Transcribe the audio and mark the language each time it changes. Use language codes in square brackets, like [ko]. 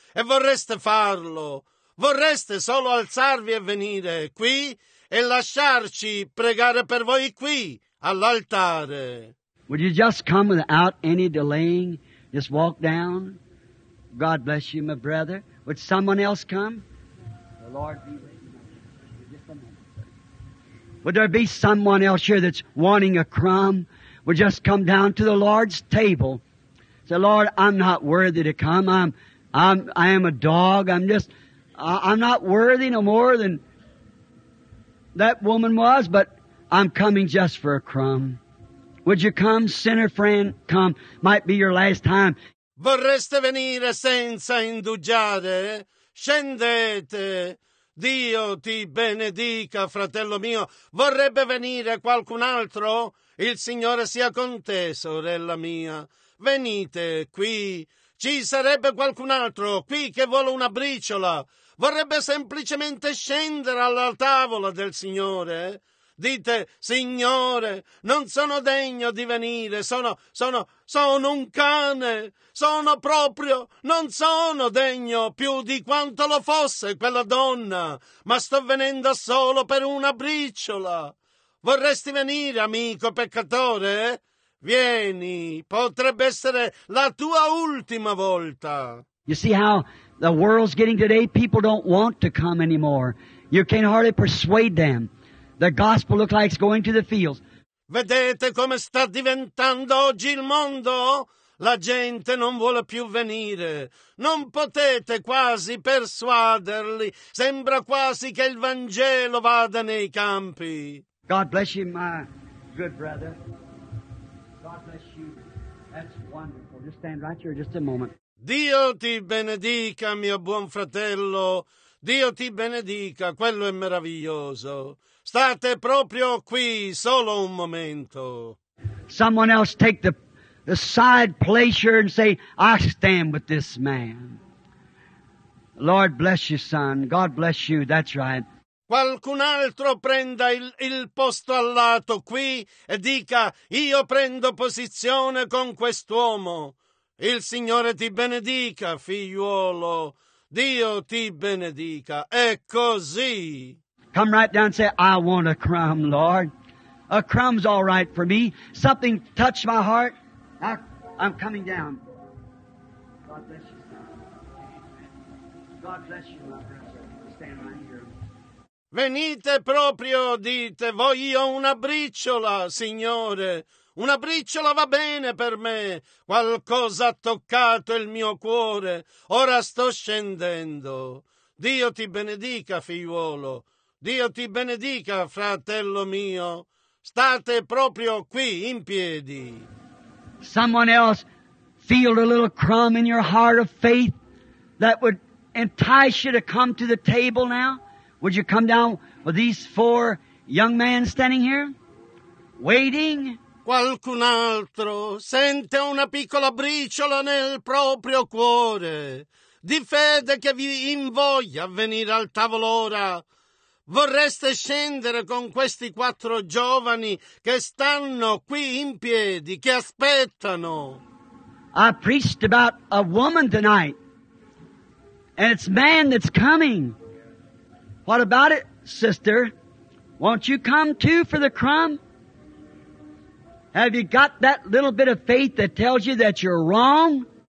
[it] E vorreste farlo? Vorreste solo alzarvi e venire qui e lasciarci pregare per voi qui, all'altare? [en] Would you just come without any delaying? Just walk down. God bless you, my brother. Would someone else come? The Lord be with you. Would there be someone else here that's wanting a crumb? Would just come down to the Lord's table. Say, Lord, I'm not worthy to come. I am a dog. I'm not worthy no more than that woman was, but I'm coming just for a crumb. Would you come, sinner friend? Come. Might be your last time. [it] Vorreste venire senza indugiare? Scendete. Dio ti benedica, fratello mio. Vorrebbe venire qualcun altro? Il Signore sia con te, sorella mia. Venite qui. Ci sarebbe qualcun altro qui che vuole una briciola? Vorrebbe semplicemente scendere alla tavola del Signore? Dite, Signore, non sono degno di venire, sono un cane, sono proprio, non sono degno più di quanto lo fosse quella donna, ma sto venendo solo per una briciola. Vorresti venire, amico peccatore? Vieni, potrebbe essere la tua ultima volta. [en] You see how the world's getting today? People don't want to come anymore. You can hardly persuade them. The gospel looks like it's going to the fields. [it] Vedete come sta diventando oggi il mondo? La gente non vuole più venire. Non potete quasi persuaderli. Sembra quasi che il Vangelo vada nei campi. [en] God bless you, my good brother. God bless you. That's wonderful. to stand right here just a moment. [it] Dio ti benedica, mio buon fratello. Dio ti benedica, quello è meraviglioso. State proprio qui, solo un momento. [en] Someone else take the side place here and say, I stand with this man. Lord bless you, son. God bless you. That's right. [it] Qualcun altro prenda il posto al lato qui e dica, io prendo posizione con quest'uomo. Il Signore ti benedica, figliuolo. Dio ti benedica. È così. [en] Come right down and say, I want a crumb, Lord. A crumb's all right for me. Something touched my heart. I'm coming down. God bless you, son. God bless you, my brother. Stand right here. [it] Venite proprio, dite, voglio una briciola, Signore. Una briciola va bene per me. Qualcosa ha toccato il mio cuore. Ora sto scendendo. Dio ti benedica, figliuolo. Dio ti benedica, fratello mio. State proprio qui, in piedi. [en] Someone else feel a little crumb in your heart of faith that would entice you to come to the table now? Would you come down with these four young men standing here, waiting? [it] Qualcun altro sente una piccola briciola nel proprio cuore, di fede che vi invoglia a venire al tavolo ora. Vorreste scendere con questi quattro giovani che stanno qui in piedi, che aspettano? [en] I preached about a woman tonight, and it's man that's coming. What about it, sister? Won't you come too for the crumb? Have you got that little bit of faith that tells you that you're wrong?